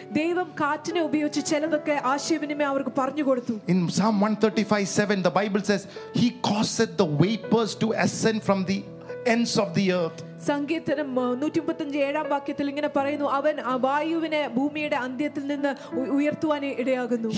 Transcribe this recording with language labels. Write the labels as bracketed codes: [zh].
[ml] ദൈവം കാറ്റിനെ ഉപയോഗിച്ച് ചിലതൊക്കെ ആശയവിനിമയം അവർക്ക് പറഞ്ഞു കൊടുത്തു. [en] In Psalm 135:7 the Bible says he caused the vapors to ascend from the ends of the earth. [ml] സംഗീതം 135:7 വാക്യത്തിൽ ഇങ്ങനെ പറയുന്നു, അവൻ വായുവിനെ ഭൂമിയുടെ അന്ത്യത്തിൽ നിന്ന് ഉയർത്തുവാൻ ഇടയാകുന്നു.